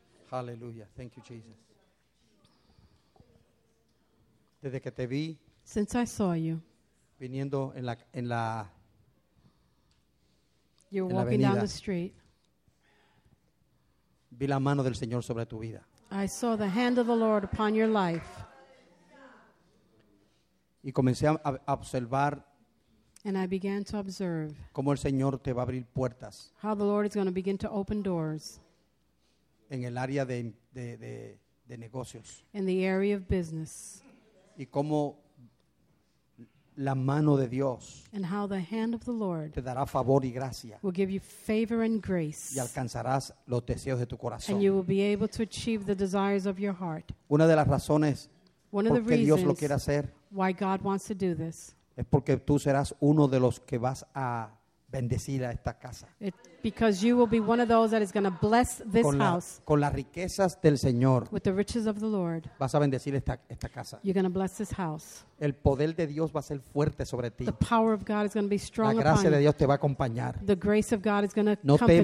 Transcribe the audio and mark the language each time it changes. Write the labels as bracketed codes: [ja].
[en] Hallelujah. Thank you, Jesus. [es] Desde que te vi, [en] since I saw you, [es] viniendo en la [en] you're walking [es] en la avenida, [en] down the street, [es] vi la mano del Señor sobre tu vida. [en] I saw the hand of the Lord upon your life. [es] Y comencé a observar. [en] And I began to observe [es] cómo el Señor te va a abrir puertas. [en] How the Lord is going to begin to open doors [es] en el área de negocios. [en] In the area of business. [es] Y cómo la mano de Dios, [en] and how the hand of the Lord, [es] te dará favor y gracia, [en] will give you favor and grace, [es] y alcanzarás los deseos de tu corazón, [en] and you will be able to achieve the desires of your heart. [es] Una de las razones por qué Dios lo quiere hacer, [en] why God wants to do this, [es] es porque tú serás uno de los que vas a bendecir a esta casa. [en] Because you will be one of those that is going to bless this house. [es] Con las riquezas del Señor. [en] With the riches of the Lord. [es] Vas a bendecir esta casa. [en] You're going to bless this house. [es] El poder de Dios va a ser fuerte sobre ti. [en] The power of God is going to be strong upon you. [es] La gracia de Dios te va a acompañar. [en] The grace of God is going to accompany you.